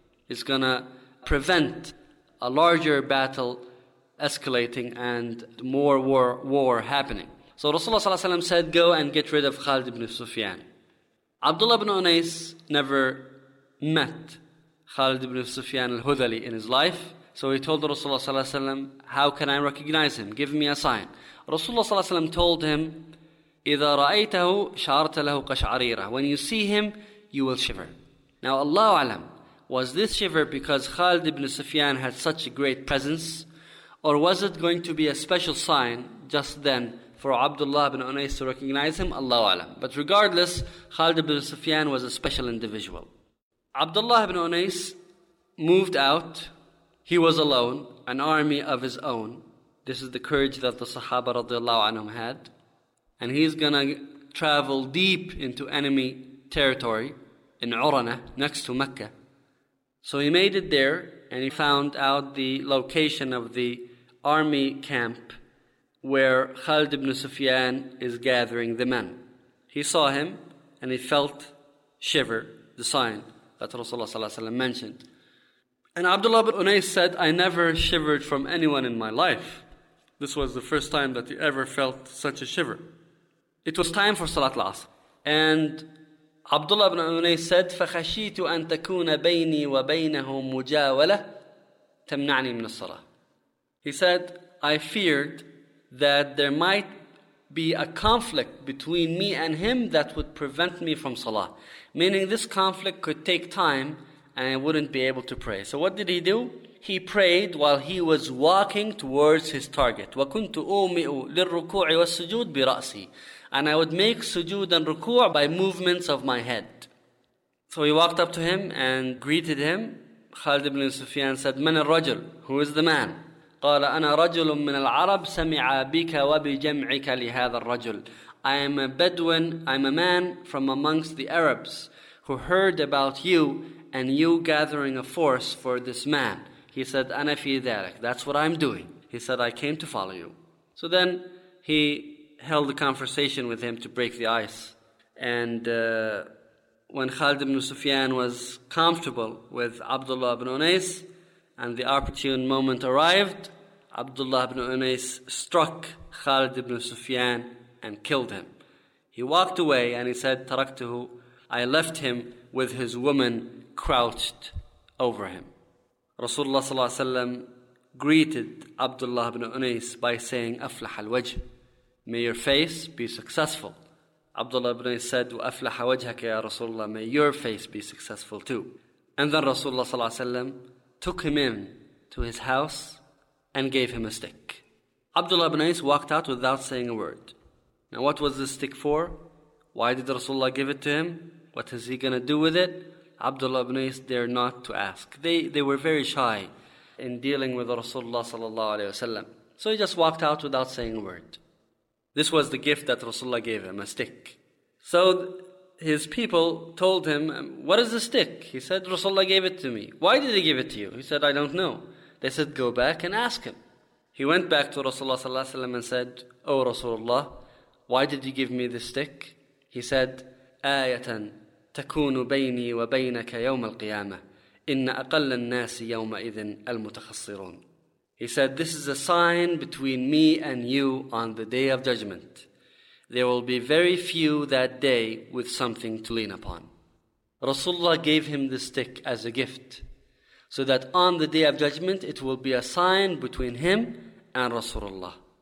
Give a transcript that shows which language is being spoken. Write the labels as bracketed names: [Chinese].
[English] It's going to prevent a larger battle escalating and more war happening. So Rasulullah ﷺ said, go and get rid of Khalid ibn Sufyan. Abdullah ibn Unais never met Khalid ibn Sufyan al-Hudali in his life. So he told Rasulullah ﷺ, how can I recognize him? Give me a sign. [Arabic] Rasulullah ﷺ [English] told him, [Arabic] إِذَا رَأَيْتَهُ شَعَرْتَ لَهُ قَشْعَرِيرَةً. [English] When you see him, you will shiver. Now Allah alam, was this shiver because Khalid ibn Sufyan had such a great presence? Or was it going to be a special sign just then for Abdullah ibn Unais to recognize him? Allahu alam. But regardless, Khalid ibn Sufyan was a special individual. Abdullah ibn Unais moved out. He was alone, an army of his own. This is the courage that the Sahaba radiallahu anhum had. And he's going to travel deep into enemy territory in Urana, next to Mecca. So he made it there, and he found out the location of the army camp where Khalid ibn Sufyan is gathering the men. He saw him, and he felt shiver, the sign that Rasulullah ﷺ mentioned. And Abdullah ibn Unais said, I never shivered from anyone in my life. This was the first time that he ever felt such a shiver. It was time for Salat al-Asr. And Abdullah ibn Unais said, [Arabic] فَخَشِيتُ أَن تَكُونَ بَيْنِي وَبَيْنَهُمْ مُجَاوَلَةً تَمْنَعْنِي مِنَ الصَّلَةِ. [English] He said, I feared that there might be a conflict between me and him that would prevent me from Salah. Meaning this conflict could take time and I wouldn't be able to pray. So what did he do? He prayed while he was walking towards his target. [Arabic] وَكُنْتُ أُومِئُ لِلْرُكُوعِ وَالسُّجُودِ بِرَأْسِي. [English] And I would make sujood and ruku' by movements of my head. So he walked up to him and greeted him. Khalid ibn Sufyan said, [Arabic] من الرجل? [English] Who is the man? [Arabic] قال أنا رجل من العرب سمع بك وبجمعك لهذا الرجل. [English] I am a Bedouin, I'm a man from amongst the Arabs who heard about you and you gathering a force for this man. He said, [Arabic] أنا في ذلك. [English] That's what I'm doing. He said, I came to follow you. So then he held a conversation with him to break the ice. And when Khalid ibn Sufyan was comfortable with Abdullah ibn Unais, and the opportune moment arrived, Abdullah ibn Unais struck Khalid ibn Sufyan and killed him. He walked away and he said, Taraktuhu, I left him with his woman crouched over him. Rasulullah sallallahu alayhi wa sallam greeted Abdullah ibn Unais by saying, Aflah al-wajh. May your face be successful. Abdullah ibn said, [Arabic] وَأَفْلَحَ وَجْهَكَ يَا رَسُولَ. [English] May your face be successful too. And then Rasulullah sallallahu alayhi wa sallam took him in to his house and gave him a stick. Abdullah ibn Ayyis walked out without saying a word. Now what was this stick for? Why did Rasulullah give it to him? What is he going to do with it? Abdullah ibn Ayyis dared not to ask. They were very shy in dealing with Rasulullah sallallahu alayhi wa sallam. So he just walked out without saying a word. This was the gift that Rasulullah gave him, a stick. So his people told him, what is the stick? He said, Rasulullah gave it to me. Why did he give it to you? He said, I don't know. They said, go back and ask him. He went back to Rasulullah sallallahu alaihi wasallam and said, O Rasulullah, why did you give me this stick? He said, [Arabic] آيَةً تَكُونُ بَيْنِي وَبَيْنَكَ يَوْمَ الْقِيَامَةِ إِنَّ أَقَلَّ النَّاسِ يَوْمَئِذٍ الْمُتَخَصِّرُونَ. [English] He said, this is a sign between me and you on the Day of Judgment. There will be very few that day with something to lean upon. Rasulullah gave him the stick as a gift, so that on the Day of Judgment, it will be a sign between him and Rasulullah.